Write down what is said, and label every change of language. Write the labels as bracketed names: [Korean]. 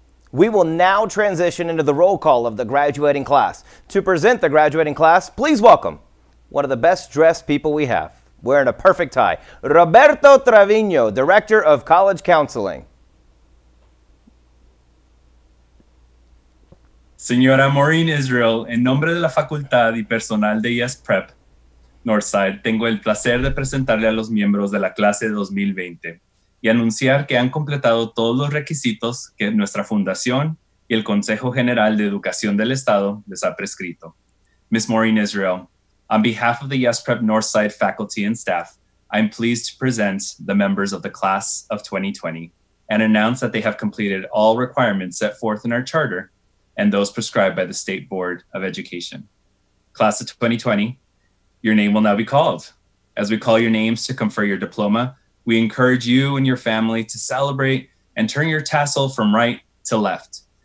[English] We will now transition into the roll call of the graduating class. To present the graduating class, please welcome one of the best dressed people we have, wearing a perfect tie, Roberto Treviño, Director of College Counseling. [Spanish] Señora Maureen Israel, en nombre de la facultad y personal de ES Prep, Northside, tengo el placer de presentarle a los miembros de la clase 2020 y anunciar que han completado todos los requisitos que nuestra fundación y el Consejo General de Educación del Estado les ha prescrito. [English] Ms. Maureen Israel, on behalf of the ES Prep Northside faculty and staff, I'm pleased to present the members of the class of 2020 and announce that they have completed all requirements set forth in our charter and those prescribed by the State Board of Education. Class of 2020, your name will now be called. As we call your names to confer your diploma, we encourage you and your family to celebrate and turn your tassel from right to left.